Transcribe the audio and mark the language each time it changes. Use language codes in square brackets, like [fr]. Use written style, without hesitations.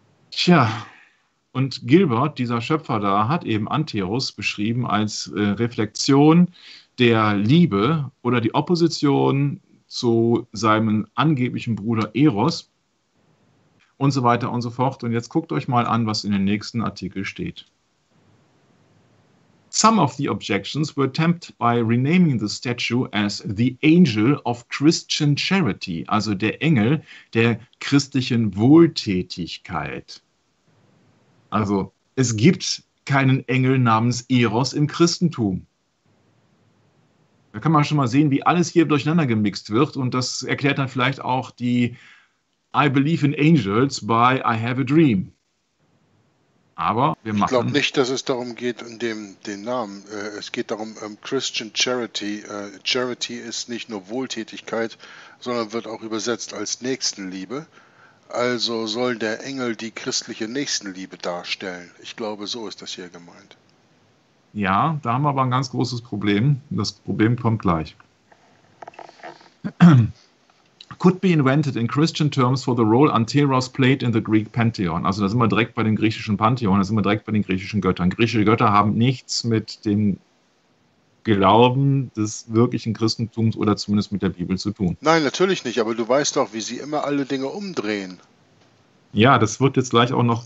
[de] Tja, und Gilbert, dieser Schöpfer da, hat eben Anteros beschrieben als Reflexion der Liebe oder die Opposition zu seinem angeblichen Bruder Eros und so weiter und so fort. Und jetzt guckt euch mal an, was in dem nächsten Artikel steht. [en] Some of the objections were tempted by renaming the statue as the Angel of Christian Charity, [de] also der Engel der christlichen Wohltätigkeit. Also es gibt keinen Engel namens Eros im Christentum. Da kann man schon mal sehen, wie alles hier durcheinander gemixt wird. Und das erklärt dann vielleicht auch die [en] I believe in angels by I have a dream. [de] Aber wir machen... Ich glaube nicht, dass es darum geht, um den Namen. Es geht darum, Christian Charity. Charity ist nicht nur Wohltätigkeit, sondern wird auch übersetzt als Nächstenliebe. Also soll der Engel die christliche Nächstenliebe darstellen. Ich glaube, so ist das hier gemeint. Ja, da haben wir aber ein ganz großes Problem. Das Problem kommt gleich. [en] Could be invented in Christian terms for the role Anteros played in the Greek Pantheon. [de] Also da sind wir direkt bei den griechischen Pantheon, da sind wir direkt bei den griechischen Göttern. Griechische Götter haben nichts mit dem Glauben des wirklichen Christentums oder zumindest mit der Bibel zu tun. Nein, natürlich nicht, aber du weißt doch, wie sie immer alle Dinge umdrehen. Ja, das wird jetzt gleich auch noch.